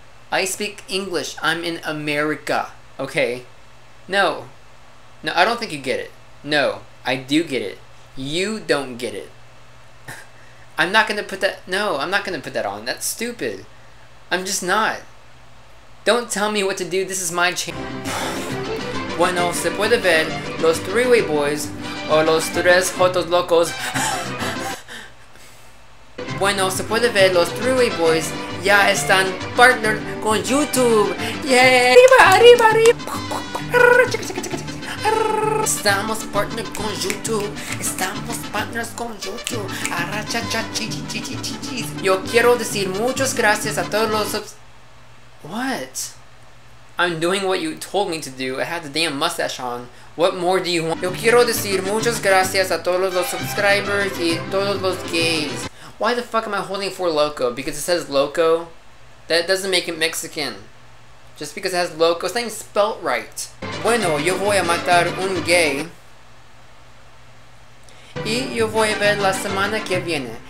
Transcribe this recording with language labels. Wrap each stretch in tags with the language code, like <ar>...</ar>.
<en>I speak English. I'm in America. Okay? No. No, I don't think you get it. No. I do get it. You don't get it. I'm not gonna put that... No, I'm not gonna put that on. That's stupid. I'm just not. Don't tell me what to do, this is my channel.</en> <es>Bueno, se puede ver los Three Way Boys o los tres jotos locos. Bueno, se puede ver los Three Way Boys ya están partnered con YouTube. Yeah! Arriba, arriba, arriba. Estamos partners con YouTube. Estamos partners con YouTube. Arracha, cha, chi, chi, chi, chi, chi. Yo quiero decir muchas gracias a todos los subs.</es> <en>What? I'm doing what you told me to do. I had the damn mustache on. What more do you want?</en> <es>Yo quiero decir muchas gracias a todos los subscribers y todos los gays.</es> <en>Why the fuck am I holding Four Loko? Because it says Loko? That doesn't make it Mexican. Just because it has Loko, it's not even spelt right.</en> <es>Bueno, yo voy a matar un gay. Y yo voy a ver la semana que viene.</es>